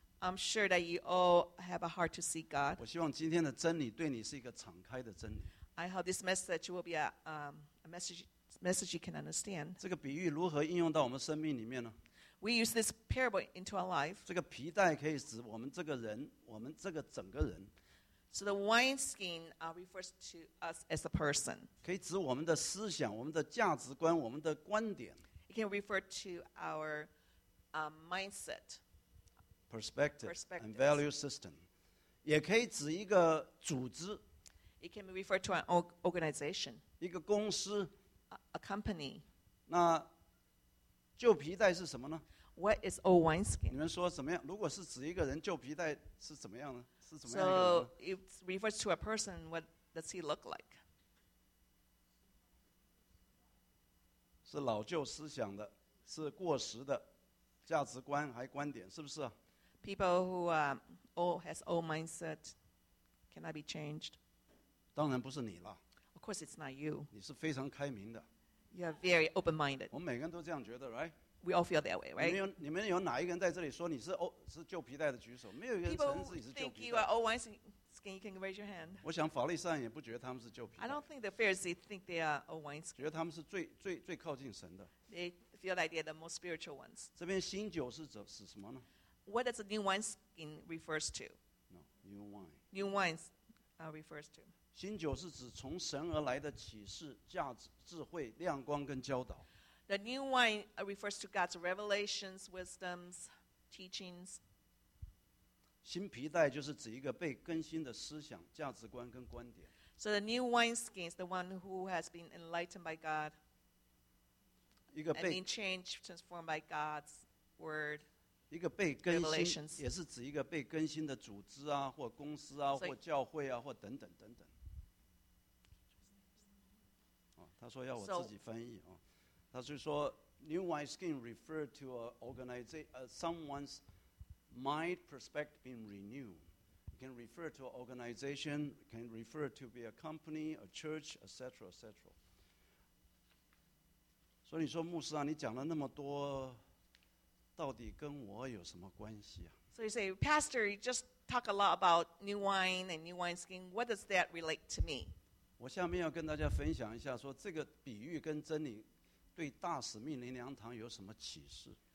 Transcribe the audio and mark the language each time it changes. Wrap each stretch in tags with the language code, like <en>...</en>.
<en>I'm sure that you all have a heart to seek God.</en> <zh>我希望今天的真理对你是一个敞开的真理。</zh> <en>I hope this message will be a message you can understand.</en> <zh>这个比喻如何应用到我们生命里面呢？</zh> <en>We use this parable into our life.</en> <zh>这个皮带可以指我们这个人，我们这个整个人。</zh> <en>So the wineskin refers to us as a person.</en> <zh>可以指我们的思想，我们的价值观，我们的观点。</zh> <en>It can refer to our mindset. Perspective and value system.</en> <zh>也可以指一个组织。</zh> <en>It can refer to an organization.</en> <zh>一个公司,</zh> <en>a company.</en> <zh>那旧皮带是什么呢?</zh> <en>What is old wineskin?</en> <zh>你们说怎么样? 如果是指一个人旧皮带是怎么样呢?</zh> <en>So it refers to a person, what does he look like?</en> <zh>是老旧思想的，是过时的价值观还观点，是不是?</zh> <en>People who has old mindset cannot be changed.</en> <zh>当然不是你了。</zh> <en>Of course it's not you.</en> <zh>你是非常开明的。</zh> <en>You are very open-minded.</en> <zh>我们每个人都这样觉得,</zh> <en>right? We all feel that way, right?</en> <zh>你们有哪一个人在这里说你是旧皮带的举手?没有一个人承认自己是旧皮带。</zh> <en>People who think you are old wineskin, you can raise your hand.</en> <zh>我想法利赛人也不觉得他们是旧皮带。</zh> <en>I don't think the Pharisees think they are old wineskin.</en> <zh>觉得他们是最靠近神的。</zh> <en>They feel like they are the most spiritual ones.</en> <zh>这边新酒是什么呢?</zh> <en>What does the new wineskin refers to? No, new wine. New wines refers to.</en> <zh>新酒是指从神而来的启示、价值、智慧、亮光跟教导。</zh> <en>The new wine refers to God's revelations, wisdoms, teachings.</en> <zh>新皮带就是指一个被更新的思想、价值观跟观点。</zh> <en>So the new wineskin is the one who has been enlightened by God.</en> <zh>一个被</zh> <en>and been changed, transformed by God's word.</en> <zh>一个被更新 也是指一个被更新的组织啊, 或公司啊, 或教会啊, 或等等等等。他说要我自己翻译，他就说</zh> <en>new wine skin referred to a organization, someone's mind perspective being renewed. It can refer to an organization, it can refer to be a company, a church, etc., etc.</en> <zh>所以你说牧师啊，你讲了那么多，到底跟我有什么关系啊？</zh> <en>So you say, Pastor, you just talk a lot about new wine and new wine skin. What does that relate to me?</en> <zh>我下面要跟大家分享一下，说这个比喻跟真理对大使命灵粮堂有什么启示？</zh>